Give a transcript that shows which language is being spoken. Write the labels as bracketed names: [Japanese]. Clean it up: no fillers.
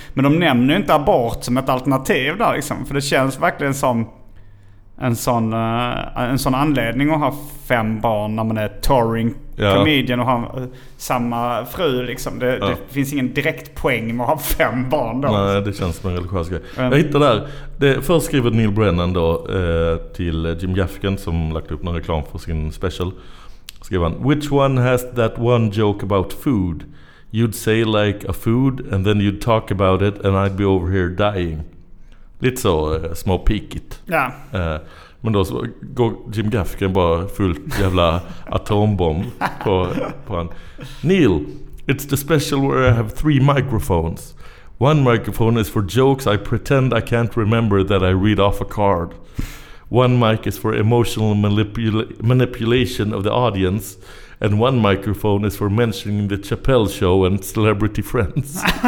[Swedish] Men de nämner ju inte abort som ett alternativ där liksom, för det känns verkligen som en sån anledning att ha 5 barn när man är touring comedian och har samma fru liksom. Det finns ingen direkt poäng med att ha 5 barn då. Nej, det känns som en religiös grej. Jag hittade där, det först skriver Neil Brennan då till Jim Gaffigan som lagt upp någon reklam för sin special. Skriver han, [English] which one has that one joke about food? You'd say like a food and then you'd talk about it and I'd be over here dying. [Swedish] Lite så småpikigt. Ja. Men då så går Jim Gaffigan bara fullt jävla atombomb på han. [English] Neil, it's the special where I have 3 microphones. One microphone is for jokes I pretend I can't remember that I read off a card. One mic is for emotional manipulation of the audience. And one microphone is for mentioning the Chappelle show and celebrity friends.